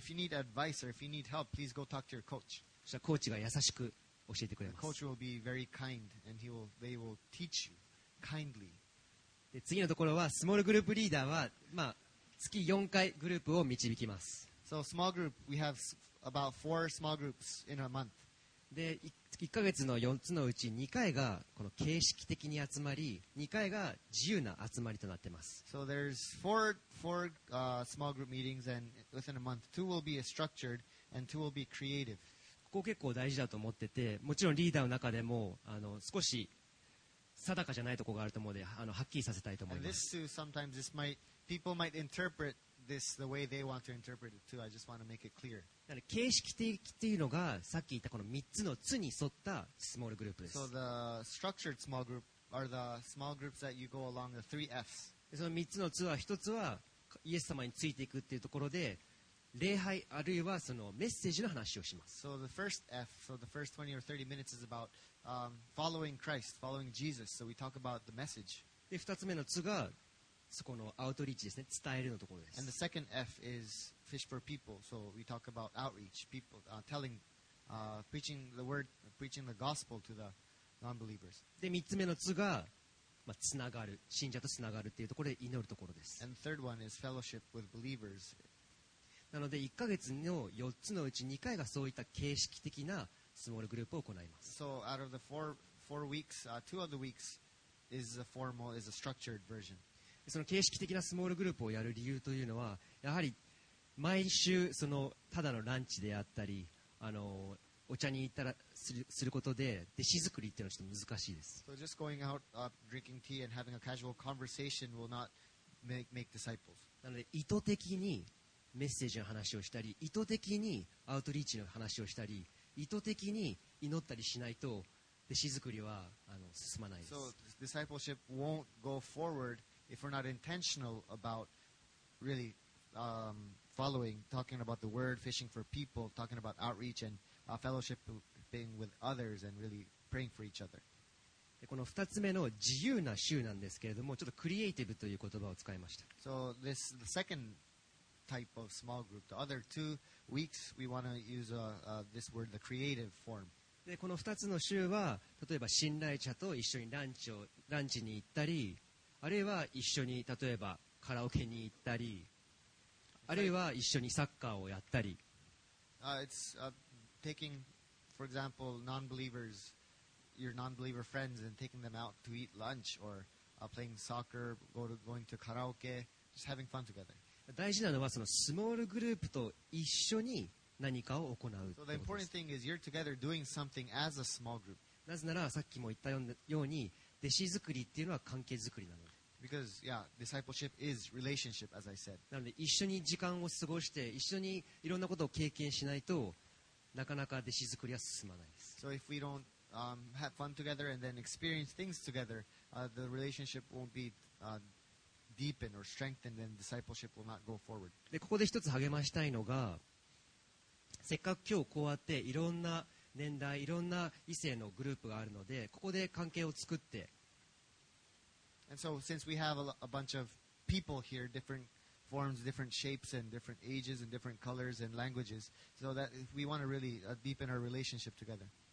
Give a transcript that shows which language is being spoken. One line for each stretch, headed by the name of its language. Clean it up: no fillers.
English: If you need advice or if you need help, please go talk to your coach.
Japanese: そしたらコーチが優しく教えてくれます。
English: The coach will be very kind and they will teach you kindly.
Japanese: で次のところはスモールグループリーダーはまあ月4回グループを導きます。
English: So small group, we have about four small groups in a month.
Japanese: で、1ヶ月の4つのうち2回がこの形式的に集まり、2回が自由な集まりとなってます。
English: So there's four small group meetings and within a month, two will be structured and two will be creative.
Japanese: ここ結構大事だと思ってて、もちろんリーダーの中でもあの少し定かじゃないところがあると思うので、あのはっきりさせたいと思います。
English: And this too, sometimes this might people might interpret this the way they want to interpret it too. I just want to make it clear.
Japanese: 形式的っていうのがさっき言ったこの3つの図に沿ったスモールグループです。
English: So the structured small group are the small groups that you go along the three Fs.
Japanese: その3つの図は1つはイエス様についていくっていうところで礼拝あるいはそのメッセージの話をします。
English: So the first F, so the first 20 or 30 minutes is about following Christ, following Jesus. So we talk about the message.
Japanese: で2つ目の図がそこのアウトリーチですね、伝えるのところです。
English: And the second F is fish for people. So we talk about outreach, people, telling, preaching the word, preaching the gospel to the non-believers.
Japanese: で3つ目の図が、まあ、つながる、信者とつながるっていうところで祈るところです。
English: And the third one is fellowship with believers.
Japanese: なので1ヶ月の4つのうち2回がそういった形式的なスモールグループを行います。
English: So out of the four weeks, two of the weeks is a formal, is a structured version.
Japanese: その形式的なスモールグループをやる理由というのはやはり毎週そのただのランチであったりあのお茶に行ったらすることで弟子作りっていうのはちょっと難しいです。
English: So just going out, drinking tea and having a casual conversation will not make disciples.
Japanese: なので意図的にメッセージの話をしたり意図的にアウトリーチの話をしたり意図的に祈ったりしないと弟子作りはあの進まないです。
English: So discipleship won't go forward if we're not intentional about really following, talking about the word, fishing for people, talking about outreach and fellowshiping with others and really praying for each other.
Japanese: でこの2つ目の自由な週なんですけれどもちょっとクリエイティブという言葉を使いました。
English: So this the secondtype of small group. The other two weeks, we want to use this word, the creative form.
Japanese: で、この2つの週は、例えば信頼者と一緒にランチに行ったり、あるいは一緒に例えばカラオケに行ったり、あるいは一緒にサッカーをやったり。
English: It's taking, for example, non-believers, your non-believer friends, and taking them out to eat lunch, or playing soccer, going to karaoke, just having fun together.
Japanese: 大事なのはそのスモールグループと一緒に何かを行う。
English: So the important thing is you're together doing something as a small group.
Japanese: なぜならさっきも言ったように弟子作りっていうのは関係作りなので。
English: Because yeah, discipleship is relationship, as I said.
Japanese: なので一緒に時間を過ごして一緒にいろんなことを経験しないとなかなか弟子作りは進まないです。
English: So if we don't have fun together and then experience things together, the relationship won't be deepen or strengthen, then discipleship will not go forward.
Japanese: で、ここで一つ励ましたいのが、せっかく今日こうやっていろんな年代、いろんな異性のグループがあるので、ここで関係を作って。
English: And so, since we have a bunch of people here, different forms, different shapes, and different ages, and different colors, and languages, so that if we want to really deepen our relationship together.